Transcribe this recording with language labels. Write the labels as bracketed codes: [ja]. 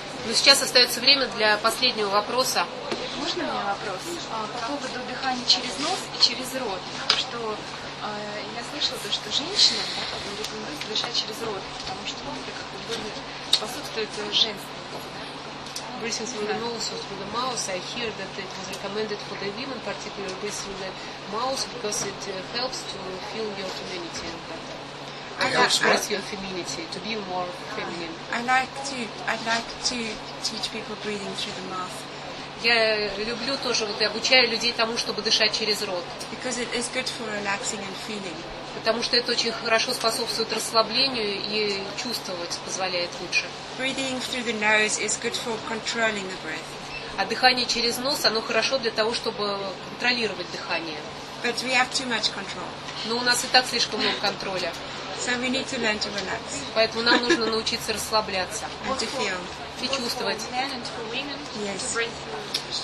[ru] Но сейчас остается время для последнего вопроса. Можно мне вопрос? По поводу дыхания через нос и через рот. Что я слышала, то, что женщина рекомендует дышать через рот, потому что он как бы... Способствует женственности, [en] breathing through the nose or through the mouth. I hear that it was recommended for the women, particularly breathing through the mouth, because it helps to feel your femininity. To be more feminine. I'd like to teach people breathing through the mouth. [ru] Я люблю тоже вот и обучаю людей тому, чтобы дышать через рот. [en] Because it is good for relaxing and feeling. [ru] Потому что это очень хорошо способствует расслаблению и чувствовать позволяет лучше. [en] Breathing through the nose is good for controlling the breath. [ru] А дыхание через нос, оно хорошо для того, чтобы контролировать дыхание. [en] But we have too much control. [ru] Но у нас и так слишком много контроля. [en] So we need to learn to relax. [ru] Поэтому нам нужно научиться расслабляться. [en] And to feel. [ru] И чувствовать. [en] Men and for women, yes. To breathe.